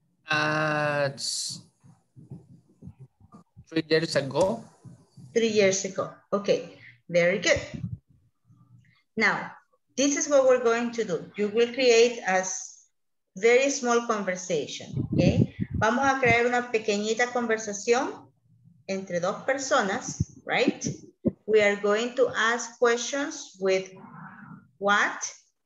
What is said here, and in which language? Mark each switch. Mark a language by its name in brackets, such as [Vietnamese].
[English] It's 3 years ago. 3 years ago. Okay, very good. Now, this is what we're going to do. You will create a very small conversation, okay? [Spanish] Vamos a crear una pequeñita conversación entre dos personas. [English] Right? We are going to ask questions with what?